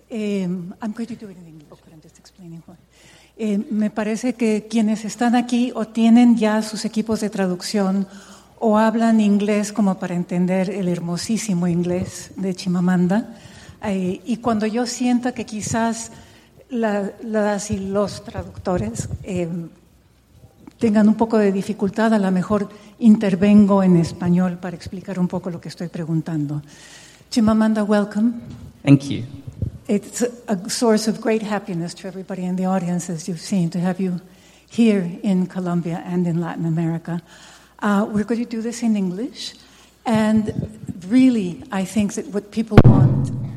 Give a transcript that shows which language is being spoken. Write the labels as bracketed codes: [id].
[en] I'm going to do it in English, but I'm just explaining why. [es] Me parece que quienes están aquí o tienen ya sus equipos de traducción o hablan inglés como para entender el hermosísimo inglés de Chimamanda. Y cuando yo sienta que quizás las y los traductores tengan un poco de dificultad, a lo mejor intervengo en español para explicar un poco lo que estoy preguntando. [en] Chimamanda, welcome. Thank you. It's a source of great happiness to everybody in the audience, as you've seen, to have you here in Colombia and in Latin America. We're going to do this in English, and really, I think that what people want...